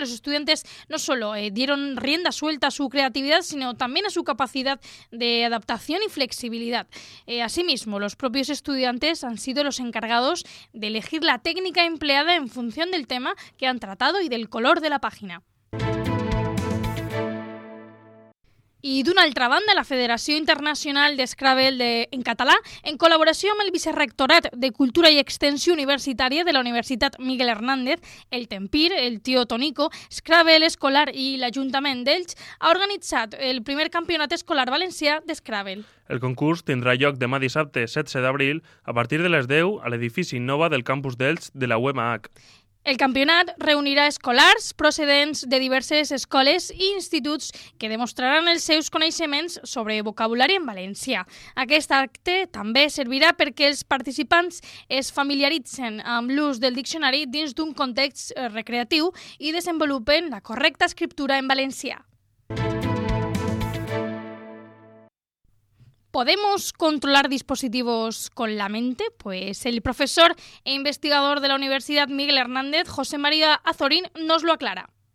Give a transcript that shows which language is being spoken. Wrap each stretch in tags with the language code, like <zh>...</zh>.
<es>Los estudiantes no solo dieron rienda suelta a su creatividad, sino también a su capacidad de adaptación y flexibilidad. Asimismo, los propios estudiantes han sido los encargados de elegir la técnica empleada en función del tema que han tratado y del color de la página.</es> <ca>I d'una altra banda, la Federació Internacional d'Scrabble en català, en col·laboració amb el Vicerrectorat de Cultura i Extensió Universitària de la Universitat Miguel Hernández, el Tempir, el Tio Tonico, Scrabble Escolar i l'Ajuntament d'Elx, ha organitzat el primer campionat escolar valencià d'Scrabble. El concurs tindrà lloc demà dissabte 16 d'abril a partir de les 10 a l'edifici Nova del campus d'Elx de la UMH. El campionat reunirà escolars procedents de diverses escoles i instituts que demostraran els seus coneixements sobre vocabulari en valencià. Aquest acte també servirà perquè els participants es familiaritzen amb l'ús del diccionari dins d'un context recreatiu i desenvolupen la correcta escriptura en valencià.</ca> <es>¿Podemos controlar dispositivos con la mente? Pues el profesor e investigador de la Universidad Miguel Hernández, José María Azorín, nos lo aclara.</es>